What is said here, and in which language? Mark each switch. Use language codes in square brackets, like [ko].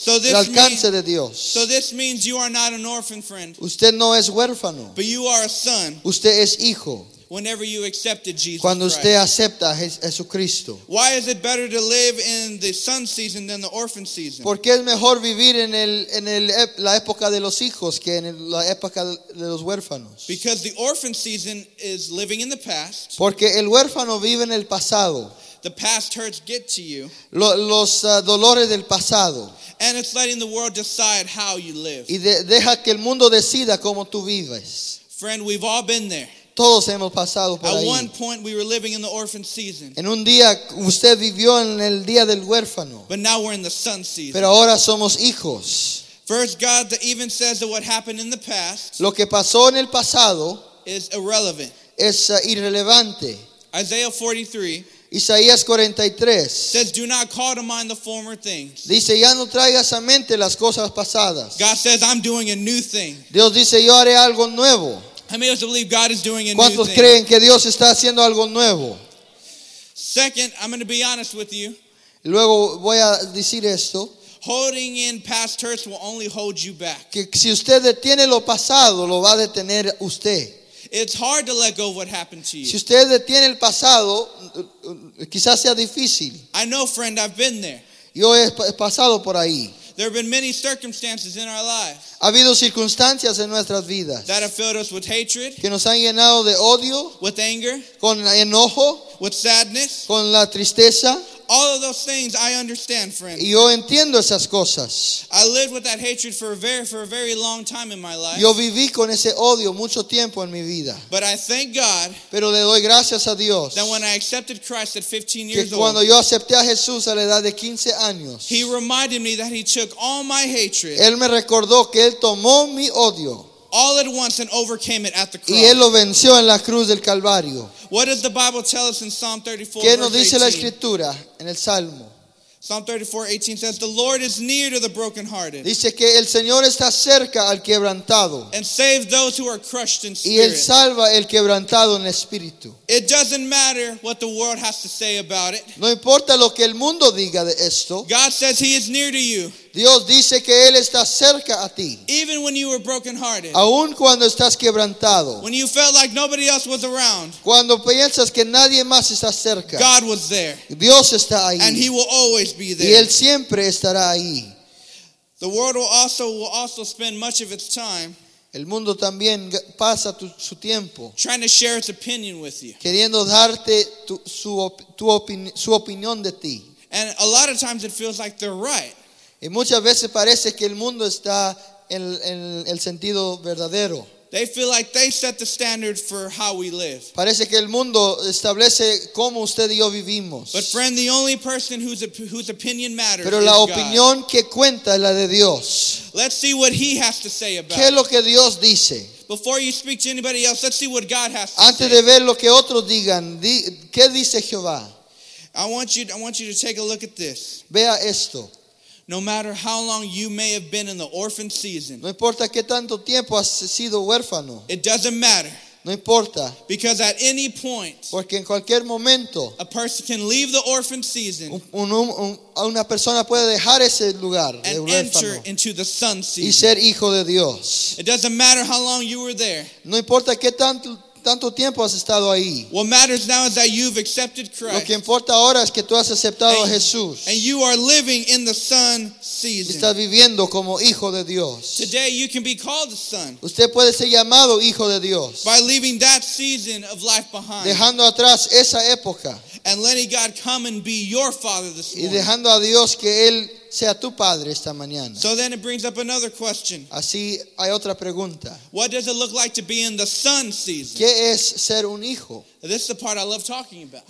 [en] So this [es] el alcance de Dios. [en] So this means you are not an orphan, friend. [es] Usted no es huérfano. [en] But you are a son. [es] Usted es hijo. [en] Whenever you accepted Jesus [es] cuando usted [en] Christ. [es] Acepta a Jesucristo. [en] Why is it better to live in the son season than the orphan season? [es] ¿Por qué es mejor vivir en la época de los hijos que en la época de los huérfanos? [en] Because the orphan season is living in the past. [es] Porque el huérfano vive en el pasado. [en] The past hurts get to you. [es] Los dolores del pasado. [en] And it's letting the world decide how you live. [es] Y deja que el mundo decida cómo tú vives. [en] Friend, we've all been there. [es] Todos hemos pasado por [en] At [es] ahí. [en] One point we were living in the orphan season. [es] En un día usted vivió en el día del huérfano. [en] But now we're in the son season. [es] Pero ahora somos hijos. [en] First God that even says that what happened in the past [es] lo que pasó en el pasado [en] is irrelevant. [es] Es irrelevante. [en] Isaiah 43, [es] Isaías 43 [en] says do not call to mind the former things. [es] Dice ya no traigas a mente las cosas pasadas. [en] God says I'm doing a new thing. [es] Dios dice yo haré algo nuevo. [en] How many of us believe God is doing a new thing? [es] ¿Cuántos creen que Dios está haciendo algo nuevo? [en] Second, I'm going to be honest with you. [es] Luego voy a decir esto. [en] Holding in past hurts will only hold you back. [es] Que si usted detiene lo pasado, lo va a detener usted. [en] It's hard to let go of what happened to you. [es] Si usted detiene el pasado, quizás sea difícil. [en] I know, friend, I've been there. [es] Yo he pasado por ahí. [en] There have been many circumstances in our lives. [es] Ha habido circunstancias en nuestras vidas. [en] That have filled us with hatred. [es] Que nos han llenado de odio. [en] With anger. [es] Con enojo. [en] With sadness. [es] Con la tristeza. [en] All of those things I understand, friend. [es] Y yo entiendo esas cosas. [en] I lived with that hatred for a very long time in my life. [es] Yo viví con ese odio mucho tiempo en mi vida. [en] But I thank God. [es] Pero le doy gracias a Dios. [en] That when I accepted Christ at 15 years old. [es] Que cuando yo acepté a Jesús a la edad de 15 años. [en] He reminded me that he took all my hatred. [es] Él me recordó que él tomó mi odio. [en] All at once and overcame it at the cross. [es] Y él lo venció en la cruz del Calvario. [en] What does the Bible tell us in Psalm 34? [es] ¿Qué nos dice la escritura en el Salmo? [en] Psalm 34:18 says, "The Lord is near to the brokenhearted." [es] Dice que el Señor está cerca al quebrantado. [en] And saves those who are crushed in spirit. [es] Y él salva el quebrantado en espíritu. [en] It doesn't matter what the world has to say about it. [es] No importa lo que el mundo diga de esto. [en] God says He is near to you. [es] Dios dice que Él está cerca a ti. [en] Even when you were brokenhearted. [es] Aun cuando estás quebrantado. [en] When you felt like nobody else was around. [es] Cuando piensas que nadie más está cerca. [en] God was there. [es] Dios está ahí. [en] And He will always be there. [es] Y Él siempre estará ahí. [en] The world will also spend much of its time. [es] El mundo también pasa su tiempo. [en] Trying to share its opinion with you. [es] Queriendo darte su opinión de ti. [en] And a lot of times it feels like they're right. [es] Y muchas veces parece que el mundo está en el sentido verdadero. [en] They feel like they set the standard for how we live. [es] Parece que el mundo establece cómo usted y yo vivimos. [en] But friend, the only person whose opinion matters. [es] Pero la opinión que cuenta es la de Dios. [en] Let's see what He has to say about it. [es] ¿Qué es lo que Dios dice? [en] Before you speak to anybody else, let's see what God has to say. [es] Antes de ver lo que otros digan, ¿qué dice Jehová? [en] I want you to take a look at this. [es] Vea esto. [en] No matter how long you may have been in the orphan season. [es] No importa qué tanto tiempo has sido huérfano. [en] It doesn't matter. [es] No importa. [en] Because at any point. [es] Porque en cualquier momento. [en] A person can leave the orphan season. [es] Una persona puede dejar ese lugar de huérfano. [en] And enter into the son season. [es] Y ser hijo de Dios. [en] It doesn't matter how long you were there. [es] No importa qué tanto tiempo has estado ahí. [en] What matters now is that you've accepted Christ. [es] Lo que importa ahora es que tú has aceptado a Jesús. [en] And you are living in the Son season. [es] Estás viviendo como hijo de Dios. [en] Today you can be called a son. [es] Usted puede ser llamado hijo de Dios. [en] By leaving that season of life behind. [es] Dejando atrás esa época. [en] And letting God come and be your father this morning. [es] Y dejando a Dios que él sea tu padre esta mañana. [en] So then it brings up another question. [es] Así hay otra pregunta. [en] What does it look like to be in the son season? [es] ¿Qué es ser un hijo? [en] This is the part I love talking about.